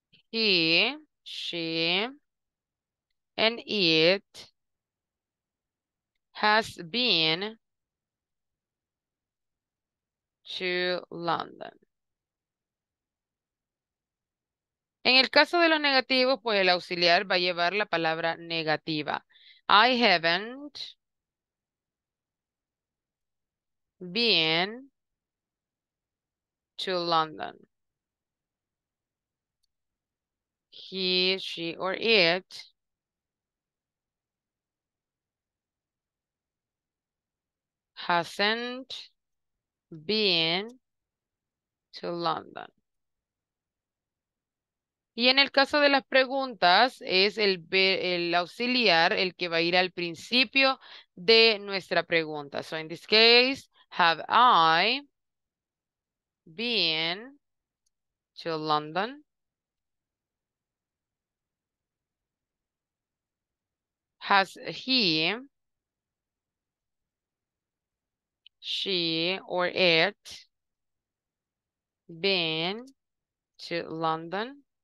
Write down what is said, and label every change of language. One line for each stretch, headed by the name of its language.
English: He, she, and it has been to London.
Spanish: En el caso de los negativos, pues el auxiliar va a llevar la palabra negativa.
English: I haven't been to London. He, she, or it hasn't been to London.
Spanish: Y en el caso de las preguntas, es el auxiliar el que va a ir al principio de nuestra pregunta.
English: So in this case, have I been to London? Has he, she, or it been to London?